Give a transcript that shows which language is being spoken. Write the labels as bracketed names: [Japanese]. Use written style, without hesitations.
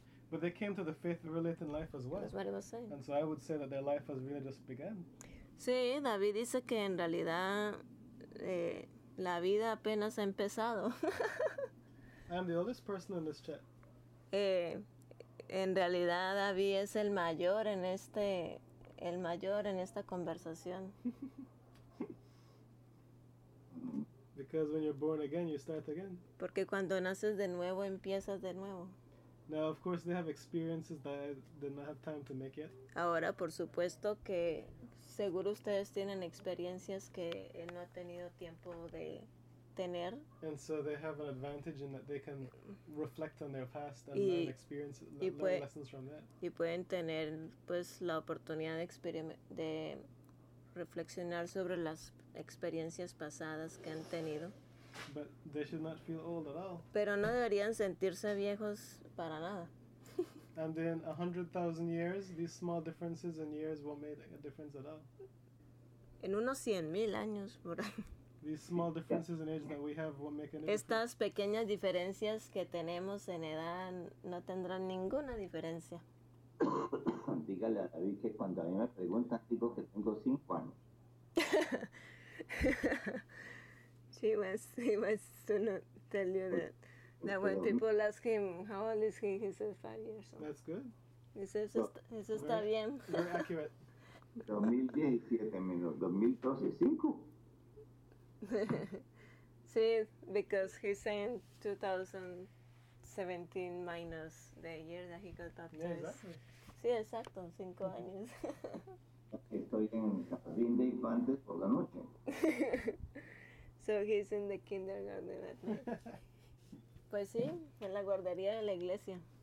[English] But they came to the faith really late in life as well. That's what I was saying. And so I would say that their life has really just begun. [Spanish] Sí, David dice que en realidad la vida apenas ha empezado. [English] I'm the oldest person in this chat. [Spanish] En realidad David es el mayor en este el mayor en esta conversación. [English] Because when you're born again, you start again. [Spanish] Porque cuando naces de nuevo, empiezas de nuevo. [English] Now, of course, they have experiences that I did not have time to make yet. [Spanish] Ahora, por supuesto que seguro ustedes tienen experiencias que él no ha tenido tiempo de tener. [English] And so they have an advantage in that they can reflect on their past and learn experiences, learn lessons from that. [Spanish] Y pueden tener pues la oportunidad de reflexionar sobre las experiencias pasadas que han tenido. [English] But they should not feel old at all. [Spanish] Pero no deberían sentirse viejos para nada. [English] And in 100,000 years, these small differences in years won't make a difference at all. [Spanish] En unos 100,000 años, por ahí. [English] These small differences in age that we have won't make any difference. [Spanish] Estas pequeñas diferencias que tenemos en edad no tendrán ninguna diferencia. Dígale a David que cuando a mí me preguntan, digo que tengo 5 años. [English] He was gonna tell you that when people ask him how old is he says 5 years old. That's good. He says [Spanish] eso está bien. [English] Very accurate. [Spanish] 2017 menos 2012 5. [English] See, because he's saying 2017 minus the year that he got baptized. Yeah, exactly. [Spanish] Sí, exacto, 5 años. Estoy en jardín de infantes por la noche. [English] So he's in the kindergarten at night. [Spanish] Pues sí, en la guardería de la iglesia.